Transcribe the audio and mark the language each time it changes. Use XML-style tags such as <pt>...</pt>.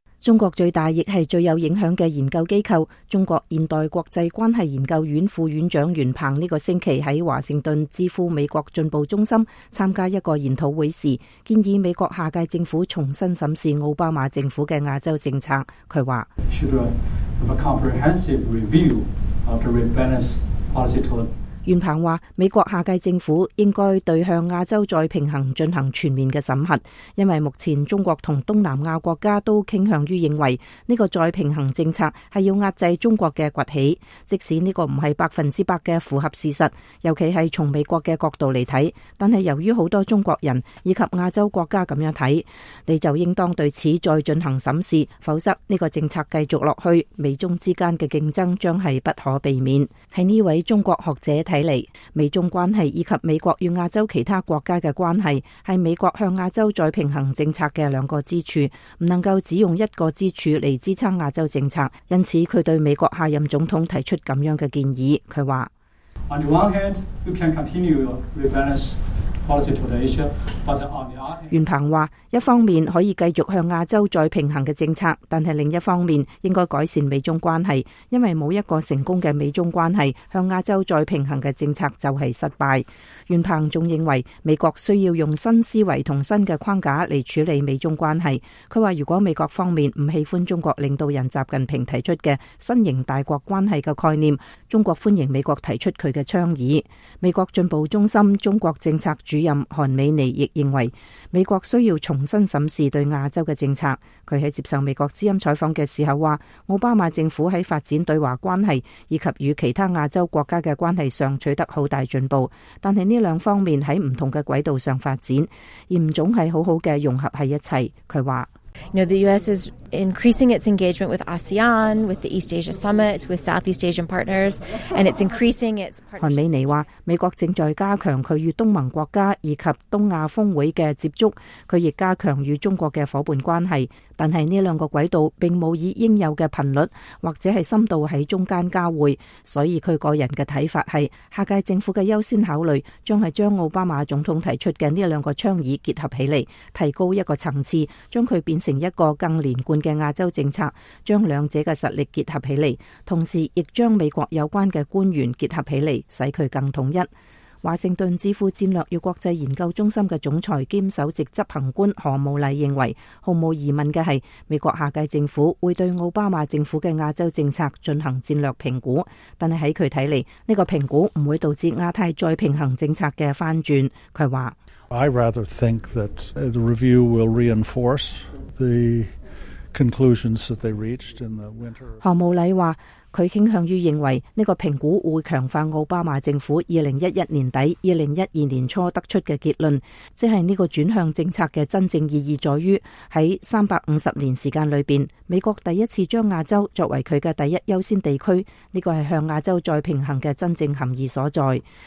<zh>中国最大亦是最有影响的研究机构中国现代国际关系研究院副院长袁鹏这个星期在华盛顿致赴美国进步中心参加一个研讨会时，建议美国下届政府重新审视奥巴马政府的亚洲政策。他说，</zh> <en>Should have a comprehensive review of the rebalance policy to the</en> <zh>袁鹏说，美国下届政府应该对向亚洲再平衡进行全面的审核，因为目前中国和东南亚国家都倾向于认为这个再平衡政策是要压制中国的崛起，即使这个不是百分之百的符合事实，尤其是从美国的角度来看，但是由于很多中国人以及亚洲国家这样看，你就应当对此再进行审视，否则这个政策继续下去，美中之间的竞争将是不可避免。在这位中国学者看来，美中关系以及美国与亚洲其他国家的关系是美国向亚洲再平衡政策的两个支柱，不能够只用一个支柱来支撑亚洲政策，因此他对美国下任总统提出这样的建议。他说，</zh> <en>On the one hand, you can continue your rebalance policy to the Asia, but on the other hand,</en> <zh>袁鹏说，一方面可以继续向亚洲再平衡的政策，但是另一方面应该改善美中关系，因为没有一个成功的美中关系，向亚洲再平衡的政策就是失败。袁鹏还认为，美国需要用新思维和新的框架来处理美中关系。他说，如果美国方面不喜欢中国领导人习近平提出的新型大国关系的概念，中国欢迎美国提出他的倡议。美国进步中心中国政策主任韩美尼亦认为，美国需要重新审视对亚洲的政策。他在接受美国之音采访的时候说，奥巴马政府在发展对华关系以及与其他亚洲国家的关系上取得很大进步，但是这两方面在不同的轨道上发展，而不总是好好的融合在一起。他说，</zh> <en>you know, the U.S. is increasing its engagement with ASEAN, with the East Asia Summit, with Southeast Asian partners, and it's increasing its partnership.</en> <zh>韩美尼说，美国正在加强与东盟国家以及东亚峰会的接触，他亦加强与中国的伙伴关系，但是这两个轨道并没有以应有的频率或者是深度在中间交汇，所以他个人的睇法是，下届政府的优先考虑将是将奥巴马总统提出的这两个倡议结合起来，提高一个层次，将它变成一个更连贯的亚洲政策，将两者的实力结合起来，同时亦将美国有关的官员结合起来，使它更统一。华盛顿智库战略与国际研究中心的总裁兼首席执行官何慕丽认为，毫无疑问的是，美国下届政府会对奥巴马政府的亚洲政策进行战略评估，但是在他看来，这个评估不会导致亚太再平衡政策的翻转。他说，</zh> <en>I rather think that the review will reinforce the conclusions that they reached in the winter.</en> <zh>何慕丽说，他倾向于认为这个评估会强化奥巴马政府2011年底2012年初得出的结论，即是这个转向政策的真正意义在于，在350年时间里面，美国第一次将亚洲作为他的第一优先地区，这个是向亚洲再平衡的真正含义所在。</zh>